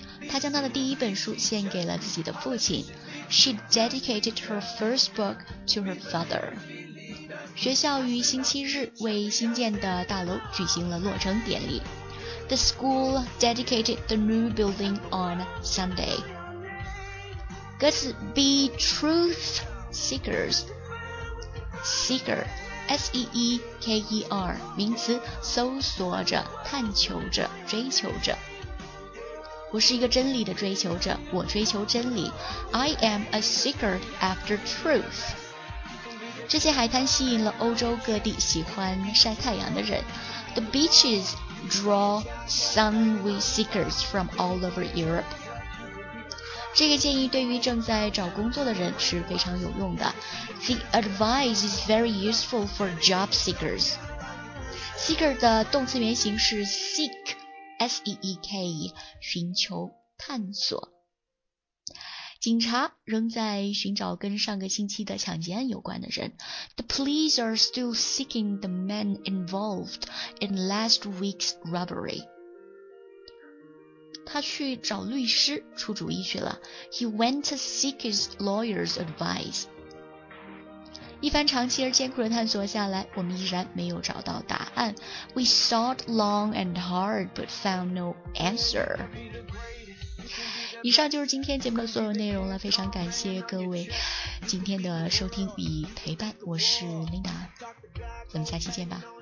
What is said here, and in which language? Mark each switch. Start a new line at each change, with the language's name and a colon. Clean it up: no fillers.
Chinese: 她将她的第一本书献给了自己的父亲。
English: She dedicated her first book to her father.
Chinese: 学校于星期日为新建的大楼举行了落成典礼。
English: The school dedicated the new building on Sunday.
Chinese: 歌词
English: Be truth seekers.
Chinese: Seeker, S-E-E-K-E-R, 名词搜索着、探求着、追求着。我是一个真理的追求者，我追求真理。
English: I am a seeker after truth.
Chinese: 这些海滩吸引了欧洲各地喜欢晒太阳的人。
English: The beaches draw sun-weary seekers from all over Europe.
Chinese: 这个建议对于正在找工作的人是非常有用的。
English: The advice is very useful for job seekers.
Chinese: Seeker 的动词原形是 seek, S-E-E-K, 寻求、探索。警察仍在寻找跟上个星期的抢劫案有关的人。
English: The police are still seeking the man involved in last week's robbery.
Chinese: 他去找律师出主意去了。
English: He went to seek his lawyer's advice.
Chinese: 一番长期而艰苦的探索下来，我们依然没有找到答案。
English: We sought long and hard but found no answer.
Chinese: 以上就是今天节目的所有内容了，非常感谢各位今天的收听与陪伴，我是 Linda, 我们下期见吧。